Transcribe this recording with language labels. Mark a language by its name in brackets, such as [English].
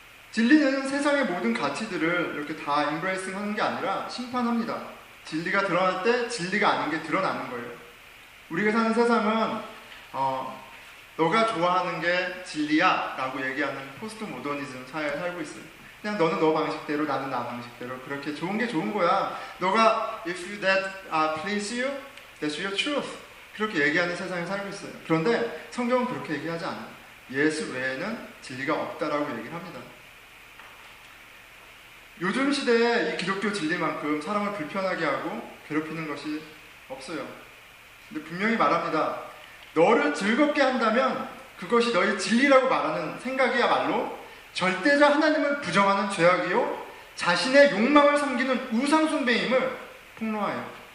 [Korean] 진리는 세상의 모든 가치들을 이렇게 다 embracing 하는 게 아니라 심판합니다. 진리가 드러날 때 진리가 아닌 게 드러나는 거예요. 우리가 사는 세상은 너가 좋아하는 게 진리야 라고 얘기하는 포스트 모더니즘 사회에 살고 있어요. 그냥 너는 너 방식대로 나는 나 방식대로 그렇게 좋은 게 좋은 거야. 너가 [English] if that please you, that's your truth. [Korean] 그렇게 얘기하는 세상에 살고 있어요. 그런데 성경은 그렇게 얘기하지 않아요. 예수 외에는 진리가 없다라고 얘기를 합니다. 요즘 시대에 이 기독교 진리만큼 사람을 불편하게 하고 괴롭히는 것이 없어요. 근데 분명히 말합니다. 너를 즐겁게 한다면 그것이 너의 진리라고 말하는 생각이야말로 절대자 하나님을 부정하는 죄악이요 자신의 욕망을 섬기는 우상 숭배임을 폭로하여.